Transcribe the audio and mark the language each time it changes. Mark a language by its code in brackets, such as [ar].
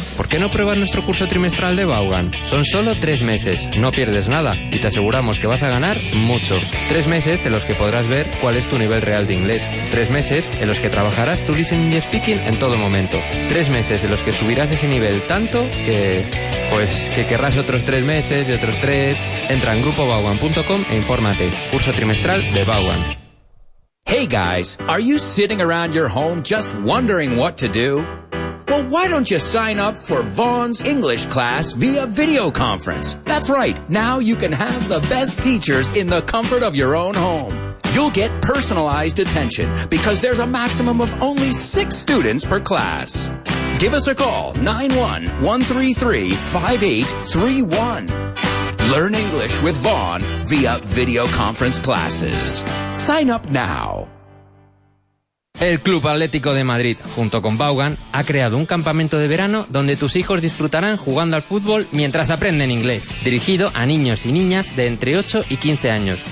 [es] ¿Por qué no pruebas nuestro curso trimestral de Baugan? Son solo 3 meses, no pierdes nada y te aseguramos que vas a ganar mucho. 3 meses en los que podrás ver cuál es tu nivel real de inglés. 3 meses en los que trabajarás tu listening y speaking en todo momento. 3 meses en los que subirás ese nivel tanto que, pues, que querrás otros 3 meses y otros 3. Entra en grupobaugan.com e infórmate. Curso trimestral de Baugan. [en] Hey guys, are you sitting around your home just wondering what to do? Well, why don't you sign up for Vaughn's English class via video conference? That's right. Now you can have the best teachers in the comfort of your own home. You'll get personalized attention because there's a maximum of only 6 students per class. Give us a call, 91-133-5831. Learn English with Vaughn via video conference classes. Sign up now. [es] El Club Atlético de Madrid, junto con Baugan, ha creado un campamento de verano donde tus hijos disfrutarán jugando al fútbol mientras aprenden inglés. Dirigido a niños y niñas de entre 8 y 15 años.